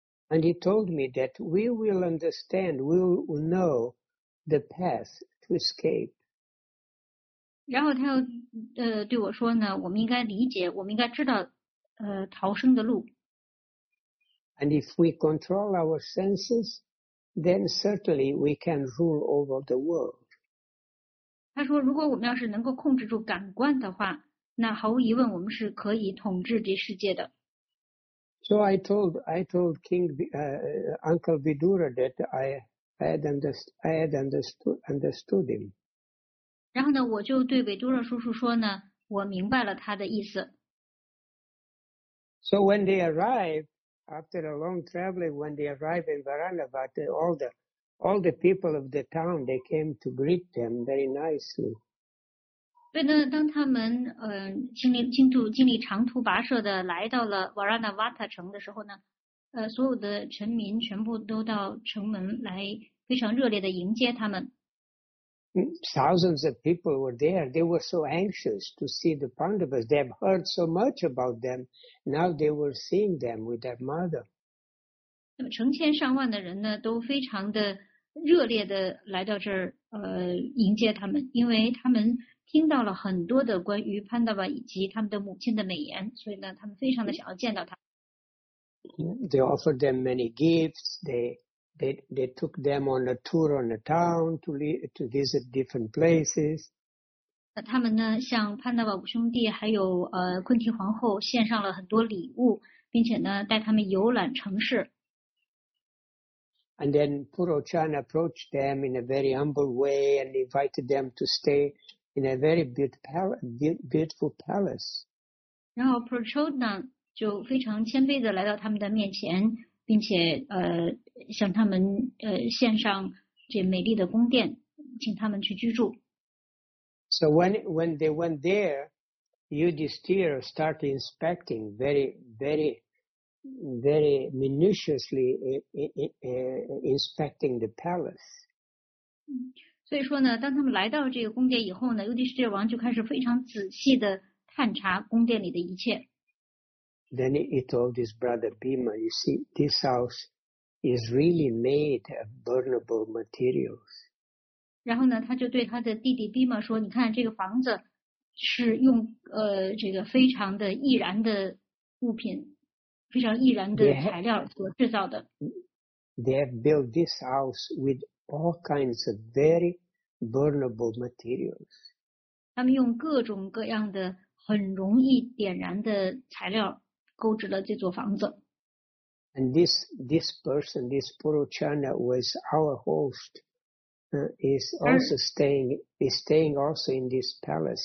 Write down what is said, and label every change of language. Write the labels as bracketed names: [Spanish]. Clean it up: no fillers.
[English] And he told me that we will understand, we will know the path to escape. [Chinese] 然后他又对我说呢，我们应该理解，我们应该知道逃生的路。 [English] And if we control our senses, then certainly we can rule over the world. [Chinese] 他说，如果我们要是能够控制住感官的话，那毫无疑问，我们是可以统治这世界的。 [English] So I told King Uncle Vidura that I had understood him. [Chinese] 然后呢，我就对维多拉叔叔说呢，我明白了他的意思。 [English] So when they arrived after a long traveling, when they arrived in Varanavata, all the people of the town they came to greet them very nicely. [Chinese] 对呢，当他们经历长途跋涉的来到了 Varanavata 城的时候呢，所有的臣民全部都到城门来非常热烈的迎接他们。 [English] Thousands of people were there. They were so anxious to see the Pandavas. They have heard so much about them. Now they were seeing them with their mother. [Chinese] 那么成千上万的人呢，都非常的热烈的来到这儿，迎接他们，因为他们听到了很多的关于 Pandava 以及他们的母亲的美言，所以呢，他们非常的想要见到他们。 [English] They offered them many gifts. They took them on a tour on the town to visit different places. [Chinese] 那他们呢，向潘达瓦五兄弟还有昆提皇后献上了很多礼物，并且呢，带他们游览城市。 [English] And then Purochan approached them in a very humble way and invited them to stay in a very beautiful palace. [Chinese] 然后 Purochan 就非常谦卑的来到他们的面前。并且向他们献上这美丽的宫殿，请他们去居住。 [English] So when they went there, Yudhisthira started inspecting very very very minutiously inspecting the palace. [Chinese] 所以说呢，当他们来到这个宫殿以后呢，尤迪斯提尔王就开始非常仔细的探查宫殿里的一切。 [English] Then he told his brother Bhima, you see, this house is really made of burnable materials. [Chinese] 然后呢，他就对他的弟弟 Bhima 说，你看这个房子是用这个非常的易燃的物品，非常易燃的材料所制造的。 [English] They have built this house with all kinds of very burnable materials. [Chinese] 他们用各种各样的很容易点燃的材料。购置了这座房子。 [English] And this person, this Purochana was our host, is also staying also in this palace.